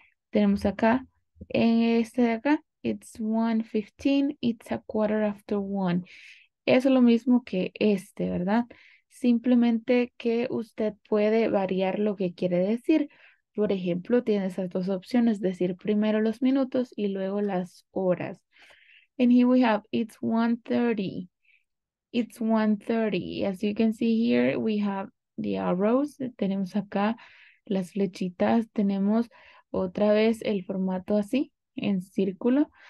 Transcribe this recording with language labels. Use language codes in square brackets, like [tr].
[es] Tenemos acá, en este de acá, [en] it's 1:15, it's 1:15. [es] Es lo mismo que este, ¿verdad? Simplemente que usted puede variar lo que quiere decir. Por ejemplo, tiene esas dos opciones, decir primero los minutos y luego las horas. [en] And here we have, it's 1:30. It's 1:30. As you can see here, we have the arrows. [es] Tenemos acá las flechitas. Tenemos otra vez el formato así, en círculo.